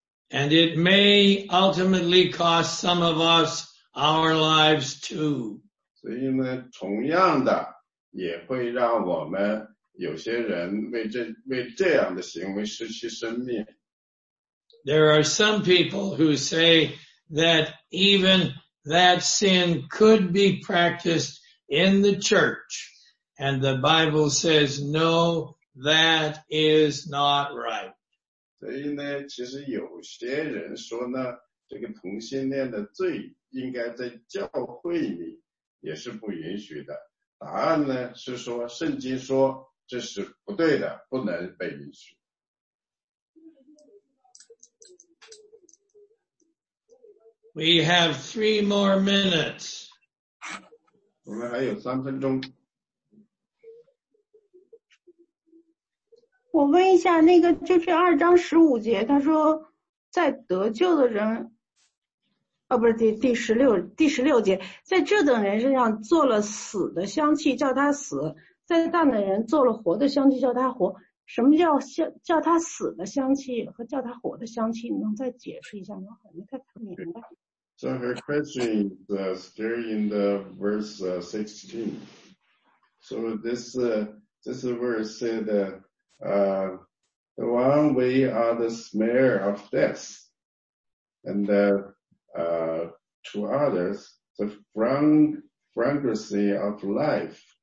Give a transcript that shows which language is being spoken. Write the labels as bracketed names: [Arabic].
[English] And it may ultimately cost some of us our lives too. [Chinese] 所以呢，同样的也会让我们有些人为这样的行为失去生命。 [English] There are some people who say that even that sin could be practiced in the church. And the Bible says, no, that is not right. [Chinese] 所以呢，其实有些人说呢，这个同性恋的罪应该在教会里也是不允许的。答案呢，是说圣经说这是不对的，不能被允许。 [English] We have three more minutes. [Chinese] 我们还有三分钟。我问一下，那个就是二章十五节，他说在得救的人，不是第十六节，在这等人身上做了死的香气，叫他死。在大等人做了活的香气，叫他活。什么叫他死的香气和叫他活的香气？你能再解释一下吗？我没太明白。 [English] So her question is still in the verse 16. So this verse said, the one we are the smear of death, and to others the fragrancy of life.